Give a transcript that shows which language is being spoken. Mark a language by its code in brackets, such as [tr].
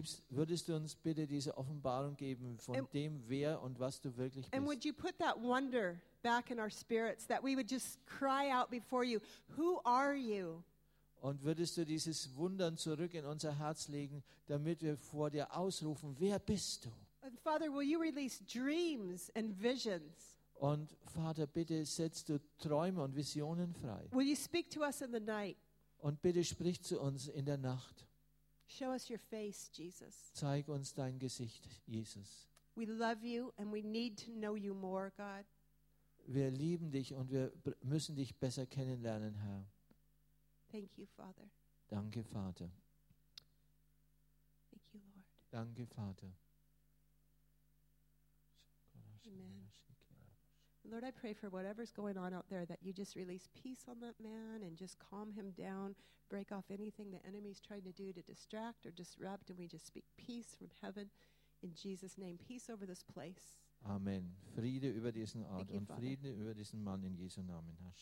[de] Würdest du uns bitte diese Offenbarung geben von dem, wer und was du wirklich bist? [en] And would you put that wonder back in our spirits, that we would just cry out before you, who are you? [de] Und würdest du dieses Wundern zurück in unser Herz legen, damit wir vor dir ausrufen, wer bist du? [en] And Father, will you release dreams and visions? [de] Und Vater, bitte setzt du Träume und Visionen frei. [en] Will you speak to us in the night? [de] Und bitte sprich zu uns in der Nacht. [en] Show us your face, Jesus. [de] Zeig uns dein Gesicht, Jesus. [en] We love you and we need to know you more, God. [de] Wir lieben dich und wir müssen dich besser kennenlernen, Herr. [en] Thank you, Father. [de] Danke, Vater. [en] Thank you, Lord. [de] Danke, Vater. [en] Amen. Lord, I pray for whatever's going on out there that you just release peace on that man and just calm him down, break off anything the enemy's trying to do to distract or disrupt, and we just speak peace from heaven in Jesus' name. Peace over this place. Amen. [de] Friede über diesen Ort und Friede über diesen Mann in Jesu Namen.